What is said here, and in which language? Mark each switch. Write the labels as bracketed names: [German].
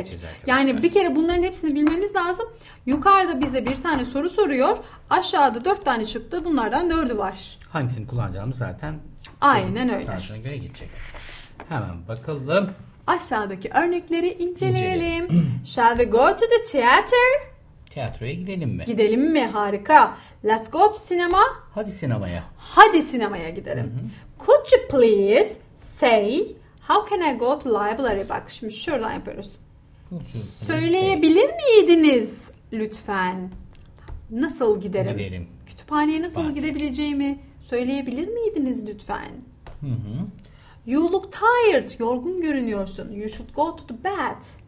[Turkish] Edeceğiz arkadaşlar. Yani bir kere bunların hepsini bilmemiz lazım. Yukarıda bize bir tane soru soruyor. Aşağıda 4 tane çıktı. Bunlardan 4'ü var. Hangisini kullanacağımız zaten. Aynen öyle. Tarzına göre gidecek. Hemen bakalım. Aşağıdaki örnekleri inceleyelim. [English] Shall we go to the theater? [Turkish] Tiyatroya gidelim mi? Gidelim mi? Harika. [English] Let's go to cinema. [Turkish] Hadi sinemaya. Hadi sinemaya gidelim. Hı-hı. [English] Could you please say how can I go to library? [Turkish] Bak şimdi şuradan yapıyoruz. Söyleyebilir miydiniz lütfen? Nasıl giderim? Gidelim. Kütüphaneye nasıl gidebileceğimi söyleyebilir miydiniz lütfen? Hı-hı. [English] You look tired. [Turkish] Yorgun görünüyorsun. [English] You should go to the bed.